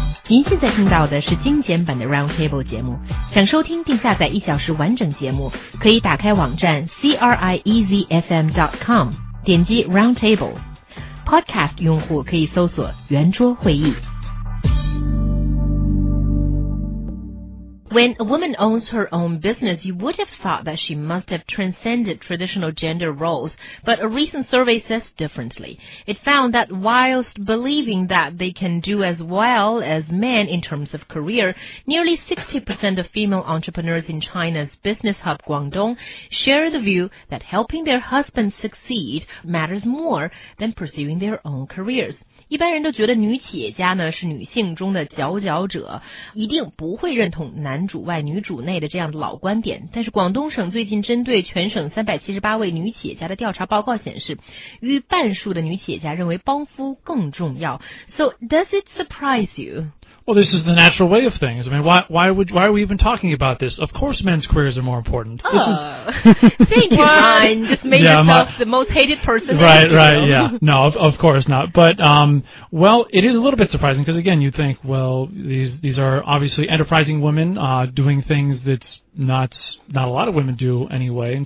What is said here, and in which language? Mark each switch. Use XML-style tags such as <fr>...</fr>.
<zh>您现在听到的是精简版的 Roundtable 节目，想收听并下载一小时完整节目，可以打开网站 CRIEZFM.com， 点击 Roundtable。 Podcast 用户可以搜索圆桌会议。</zh> <en>When a woman owns her own business, you would have thought that she must have transcended traditional gender roles, but a recent survey says differently. It found that whilst believing that they can do as well as men in terms of career, nearly 60% of female entrepreneurs in China's business hub Guangdong share the view that helping their husbands succeed matters more than pursuing their own careers.</en> <zh>一般人都觉得女企业家呢是女性中的佼佼者，一定不会认同男主外女主内的这样的老观点。但是广东省最近针对全省378位女企业家的调查报告显示，逾半数的女企业家认为帮夫更重要。</zh> <en>So does it surprise you? Well, this is the natural way of things. I mean, why are we even talking about this? Of course men's careers are more important. Oh, thank you, Ryan. Just made yourself the most hated person. Right, yeah. No, of course not. But, well, it is a little bit surprising because, again, you think, well, these are obviously enterprising women doing things that's not a lot of women do anyway.</en>